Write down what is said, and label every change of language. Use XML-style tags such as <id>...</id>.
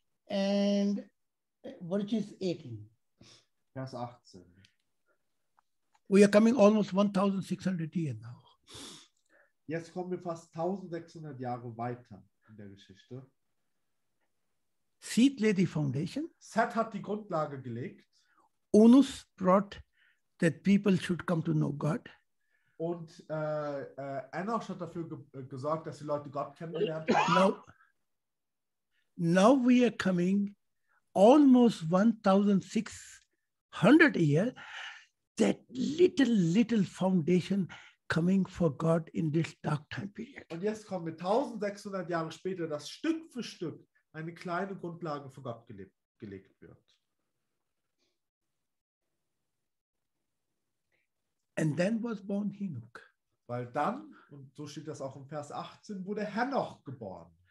<en>And verse 18.</en> <de>Vers 18.</de> <en>We are coming almost 1600 years now.</en> <de>Jetzt kommen wir fast 1600 Jahre weiter in der Geschichte.</de> <en>Seth laid the foundation.</en> <de>Seth hat die Grundlage gelegt.</de> <en>Onus brought that people should come to know God.</en> <de>Und Enoch hat dafür gesorgt, dass die Leute Gott kennengelernt haben.</de> <en>Now we are coming almost 1600 years, that little foundation coming for God in this dark time period.</en> <de>Und jetzt kommen wir 1600 Jahre später, dass Stück für Stück eine kleine Grundlage für Gott gelegt wird.</de> <en>And then was born Henoch.</en> <de>Weil dann, und so steht das auch im Vers 18, wurde Henoch geboren.</de>